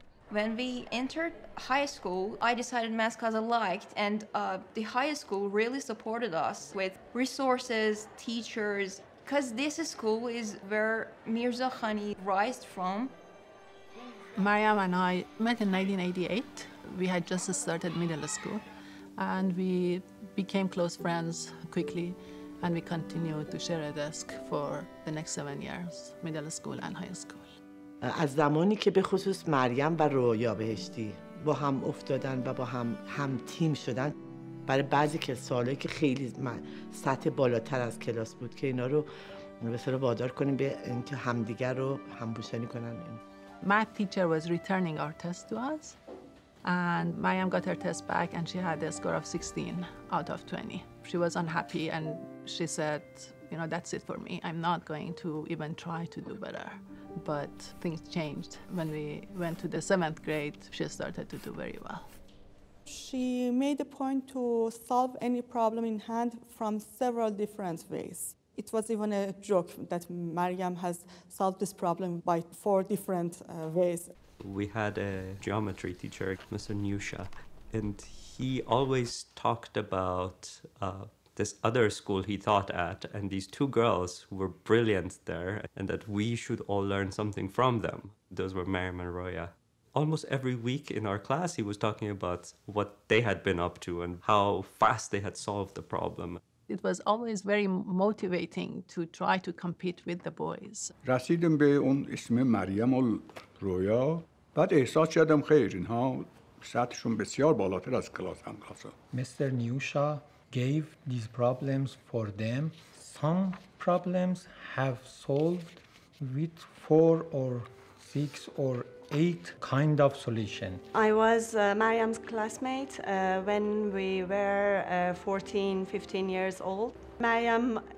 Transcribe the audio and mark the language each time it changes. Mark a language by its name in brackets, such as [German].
[English] When we entered high school, I decided math class I liked, and the high school really supported us with resources, teachers, because this school is where Mirza Khani rised from. Mariam and I met in 1988. We had just started middle school, and we became close friends quickly, and we continued to share a desk for the next 7 years, middle school and high school. [Persian] از زمانی که به خصوص مریم و رویا بهشتی با هم افتادن و با هم تیم شدن برای بعضی که سوالایی که خیلی سطح بالاتر از کلاس بود که اینا رو مثلا وادار کنیم به اینکه همدیگر رو همپوشانی کنن. [English] Math teacher was returning our test to us and Mariam got her test back and she had a score of 16 out of 20. She was unhappy and she said, you know, that's it for me. I'm not going to even try to do better. But things changed when we went to the 7th grade. She started to do very well. She made a point to solve any problem in hand from several different ways. It was even a joke that Mariam has solved this problem by four different ways. We had a geometry teacher, Mr. Nyusha, and he always talked about this other school he taught at, and these two girls who were brilliant there, and that we should all learn something from them. Those were Mariam and Roya. Almost every week in our class, he was talking about what they had been up to and how fast they had solved the problem. It was always very motivating to try to compete with the boys. [Persian] رسیدم به اون اسم مریم و رویا. بعد احساس کردم خیر اینها سطحشون بسیار بالاتر از کلاس هم کلاس. [English] Mr. Nyusha gave these problems for them. Some problems have solved with 4 or 6 or 8 kind of solution. I was Mariam's classmate when we were 14, 15 years old. Mariam